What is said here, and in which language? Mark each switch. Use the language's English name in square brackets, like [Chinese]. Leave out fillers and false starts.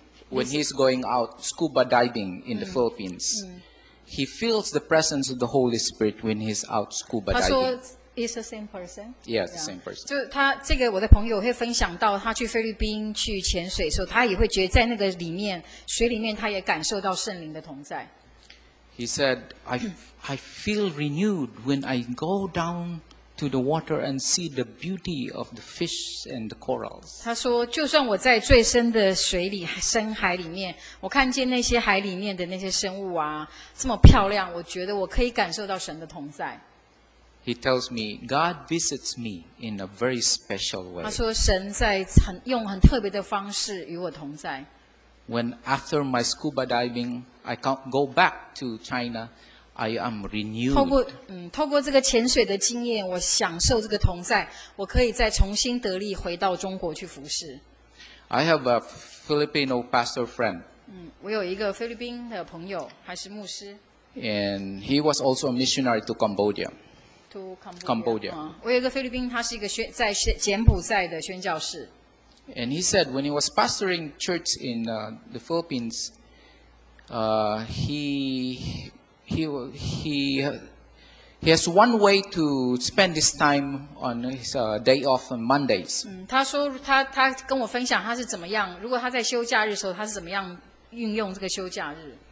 [English] When he's going out scuba diving in the Philippines, he feels the presence of the Holy Spirit when he's out scuba diving. Is the same person? Yeah, the same person. [Chinese] 就他这个我的朋友会分享到他去菲律宾去潜水的时候，他也会觉得在那个里面水里面，他也感受到圣灵的同在。 [English] He said, "I feel renewed when I go down to the water and see the beauty of the fish and the corals." [Chinese] 他说，就算我在最深的水里、深海里面，我看见那些海里面的那些生物啊，这么漂亮，我觉得我可以感受到神的同在。 [English] He tells me God visits me in a very special way. [Chinese] 他说神在很用很特别的方式与我同在。 [English] When after my scuba diving, I can't go back to China, I am renewed. [Chinese] 透过这个潜水的经验，我享受这个同在，我可以再重新得力，回到中国去服事。 [English] I have a Filipino pastor friend. [Chinese] 我有一个菲律宾的朋友，还是牧师。 [English] And he was also a missionary to Cambodia. [Chinese] Cambodia. 我有一个菲律宾，他是一个在柬埔寨的宣教士。 [English] And he said when he was pastoring church in the Philippines, he has one way to spend his time on his day off on Mondays. [Chinese] 他说他跟我分享他是怎么样，如果他在休假日的时候，他是怎么样运用这个休假日。